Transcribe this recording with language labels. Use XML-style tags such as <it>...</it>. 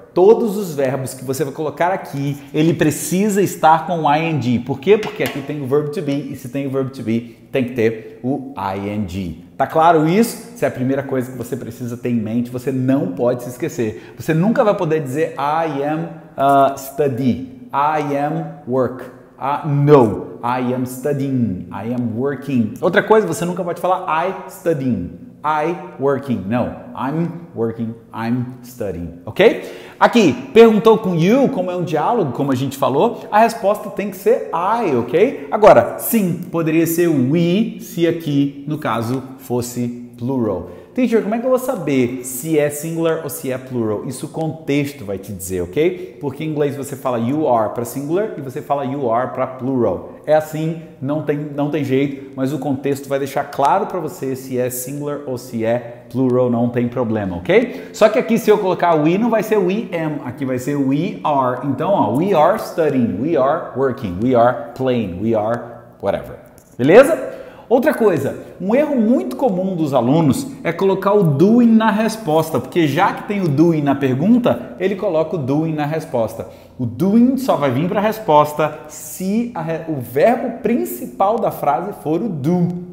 <pt>Todos os verbos que você vai colocar aqui, ele precisa estar com o ing. Por quê? Porque aqui tem o verb to be, e se tem o verb to be, tem que ter o ing. Tá claro isso? Se é a primeira coisa que você precisa ter em mente, você não pode se esquecer. Você nunca vai poder dizer,</pt> <en>I am study. I am work. No, I am studying, I am working.</en> <pt>Outra coisa, você nunca pode falar</pt> <en>I studying, I working.</en> <pt>Não,</pt> <en>I'm working, I'm studying, ok?</en> <pt>Aqui, perguntou com you, como é um diálogo, como a gente falou, a resposta tem que ser I, ok? Agora, sim, poderia ser we, se aqui, no caso, fosse plural. Teacher, como é que eu vou saber se é singular ou se é plural? Isso o contexto vai te dizer, ok? Porque em inglês você fala you are para singular e você fala you are para plural. É assim, não tem jeito, mas o contexto vai deixar claro para você se é singular ou se é plural, não tem problema, ok? Só que aqui se eu colocar we, não vai ser we am, aqui vai ser we are. Então, ó,</pt> <en>we are studying, we are working, we are playing, we are whatever.</en> <pt>Beleza? Outra coisa, um erro muito comum dos alunos é colocar o doing na resposta, porque já que tem o doing na pergunta, ele coloca o doing na resposta. O doing só vai vir para a resposta se o verbo principal da frase for o do.</pt>